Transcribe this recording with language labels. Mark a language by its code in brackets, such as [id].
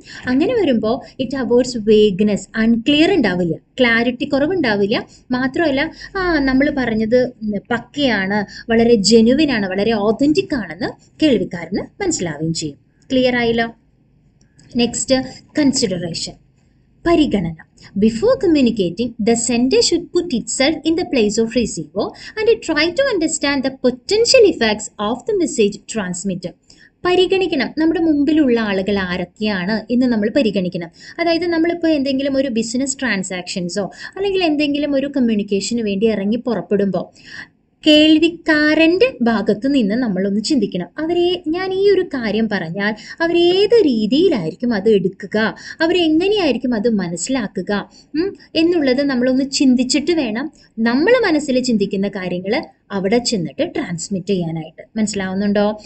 [ml] അങ്ങനെ വരുമ്പോൾ [en] it avoids vagueness, [ml] unclear ഉണ്ടാവില്ല, ക്ലാരിറ്റി കുറവുണ്ടാവില്ല. മാത്രമല്ല ആ നമ്മൾ പറഞ്ഞത് പക്കയാണ്, വളരെ ജെനുവിൻ ആണ്, വളരെ ഓതൻറ്റിക് ആണെന്ന് കേൾവിക്കാരന് മനസ്സിലാവുകയും ചെയ്യും. Clear ആയില്ലോ? [en] Next, consideration. Pariganana. Before communicating, the sender should put itself in the place of receiver and try to understand the potential effects of the message transmitted. [ml] പരിഗണിക്കണം, നമ്മുടെ മുമ്പിലുള്ള ആളുകൾ ആരൊക്കെയാണ് എന്ന് നമ്മൾ പരിഗണിക്കണം. അതായത് നമ്മളിപ്പോൾ എന്തെങ്കിലും ഒരു ബിസിനസ് ട്രാൻസാക്ഷൻസോ അല്ലെങ്കിൽ എന്തെങ്കിലും ഒരു കമ്മ്യൂണിക്കേഷന് വേണ്ടി ഇറങ്ങി പുറപ്പെടുമ്പോൾ കേൾവിക്കാരൻ്റെ ഭാഗത്തു നിന്ന് നമ്മളൊന്ന് ചിന്തിക്കണം. അവരെ ഞാൻ ഈ ഒരു കാര്യം പറഞ്ഞാൽ അവരേത് രീതിയിലായിരിക്കും അത് എടുക്കുക, അവരെങ്ങനെയായിരിക്കും അത് മനസ്സിലാക്കുക എന്നുള്ളത് നമ്മളൊന്ന് ചിന്തിച്ചിട്ട് വേണം നമ്മൾ മനസ്സിൽ ചിന്തിക്കുന്ന കാര്യങ്ങൾ അവിടെ ചെന്നിട്ട് ട്രാൻസ്മിറ്റ് ചെയ്യാനായിട്ട്. മനസ്സിലാവുന്നുണ്ടോ?